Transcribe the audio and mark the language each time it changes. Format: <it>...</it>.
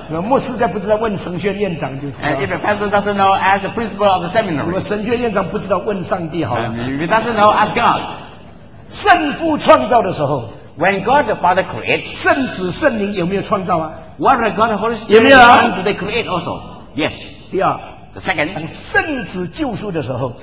<zh>那牧师再不知道，问神学院长就知道。</zh> <en>And if the pastor doesn't know, ask the principal of the seminary.</en> <zh>如果神学院长不知道，问上帝好了。</zh> <en>If he doesn't know, ask God.</en> <zh>圣父创造的时候。</zh> <en>When God the Father creates.</en> <zh>圣子圣灵有没有创造啊？</zh> <en>What did God the Holy Spirit</en> <zh>有没有啊？</zh> <en>Do they create also? Yes.</en> <zh>第二。</zh> <en>The second,</en> <zh>当圣子救赎的时候</zh>